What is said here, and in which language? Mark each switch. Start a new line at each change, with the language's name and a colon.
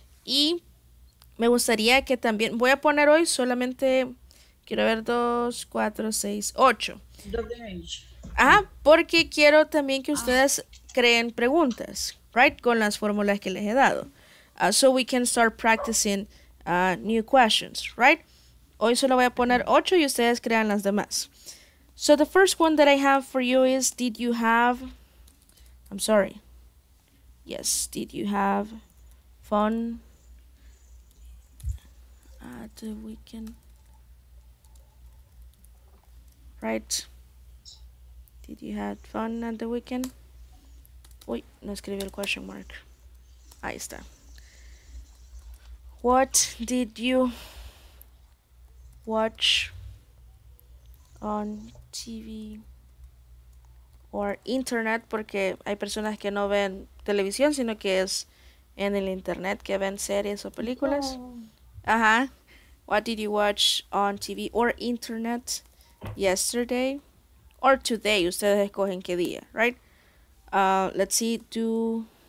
Spanish: Y me gustaría que también, voy a poner hoy solamente, quiero ver 2, 4, 6, 8.
English: Double H.
Spanish: Ajá, porque quiero también que ustedes creen preguntas, right? Con las fórmulas que les he dado.
English: So we can start practicing new questions, right?
Spanish: Hoy solo voy a poner 8 y ustedes crean las demás.
English: So the first one that I have for you is, did you have, I'm sorry. Yes, did you have fun at the weekend? Right? Did you have fun at the weekend?
Spanish: Uy, no escribí el question mark. Ahí está.
English: What did you watch on TV or internet?
Spanish: Porque hay personas que no ven televisión, sino que es en el internet que ven series o películas. No. Ajá.
English: What did you watch on TV or internet yesterday or today?
Spanish: Ustedes escogen qué día, right?
English: Let's see, do...